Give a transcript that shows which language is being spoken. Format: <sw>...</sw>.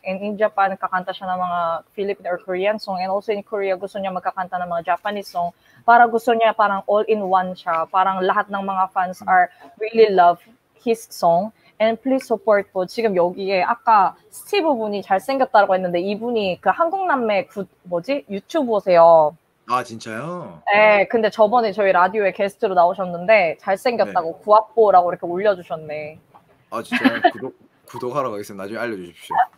<en>And in Japan,</en> <tl>kakanta siya ng mga</tl> <en>Philippine or Korean song. And also in Korea,</en> <tl>gusto niya magkakanta ng mga Japanese song. Para gusto niya parang all-in-one siya. Parang lahat ng mga</tl> <en>fans are really love his song. And please support po.</en> <ko>지금 여기에 아까 스티브 분이 잘생겼다고 했는데 이분이 그 한국남매 뭐지? 유튜브 보세요. 아 진짜요? 네 근데 저번에 저희 라디오에 게스트로 나오셨는데 잘생겼다고 네. 구학보라고 이렇게 올려주셨네. 아 진짜요? 구독하러 가겠습니다. 나중에 알려주십시오.</ko>